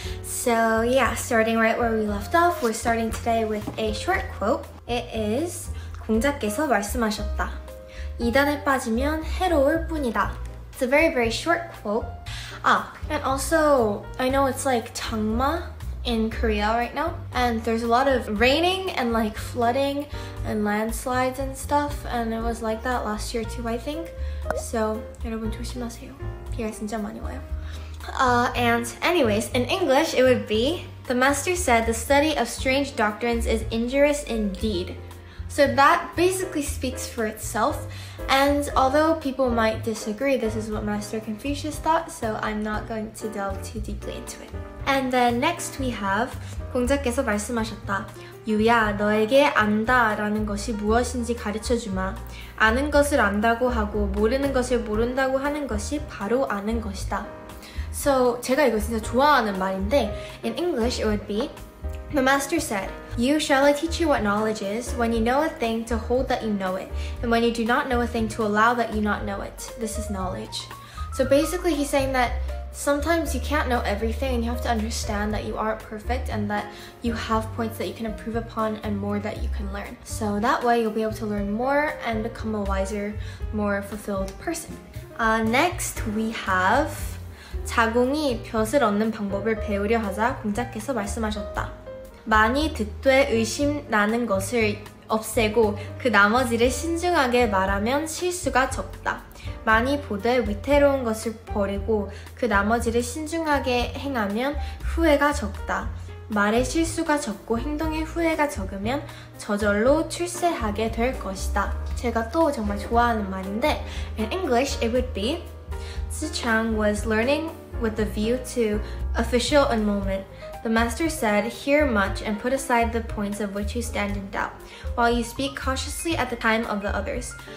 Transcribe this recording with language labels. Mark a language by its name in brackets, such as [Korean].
[English] So yeah, starting right where we left off, we're starting today with a short quote. It is, [Korean] 공자께서 말씀하셨다. 이단에 빠지면 해로울 뿐이다. [English] It's a very, very short quote. Ah, and also, I know it's like 장마 in Korea right now, and there's a lot of raining and like flooding and landslides and stuff, and it was like that last year too, I think. [Korean] So, 여러분 조심하세요. 비가 진짜 많이 와요. [English] And anyways, in English, it would be, the master said the study of strange doctrines is injurious indeed. So that basically speaks for itself. And although people might disagree, this is what Master Confucius thought, so I'm not going to delve too deeply into it. And then next we have, [Korean] 공자께서 말씀하셨다. 유야, 너에게 안다라는 것이 무엇인지 가르쳐주마. 아는 것을 안다고 하고 모르는 것을 모른다고 하는 것이 바로 아는 것이다. [English] So [Korean] 제가 이거 진짜 좋아하는 말인데, [English] in English it would be, the master said, you shall I teach you what knowledge is, when you know a thing to hold that you know it, and when you do not know a thing to allow that you not know it. This is knowledge. So basically he's saying that sometimes you can't know everything and you have to understand that you aren't perfect and that you have points that you can improve upon and more that you can learn. So that way you'll be able to learn more and become a wiser, more fulfilled person. Next we have, [Korean] 자궁이 벼슬 얻는 방법을 배우려 하자 공자께서 말씀하셨다. 많이 듣되 의심나는 것을 없애고 그 나머지를 신중하게 말하면 실수가 적다. 많이 보되 위태로운 것을 버리고 그 나머지를 신중하게 행하면 후회가 적다. 말의 실수가 적고 행동의 후회가 적으면 저절로 출세하게 될 것이다. 제가 또 정말 좋아하는 말인데, [English] in English it would be, 지창 was learning with the view to official enrollment. The master said, hear much and put aside the points of which you stand in doubt, while you speak cautiously at the time of the others.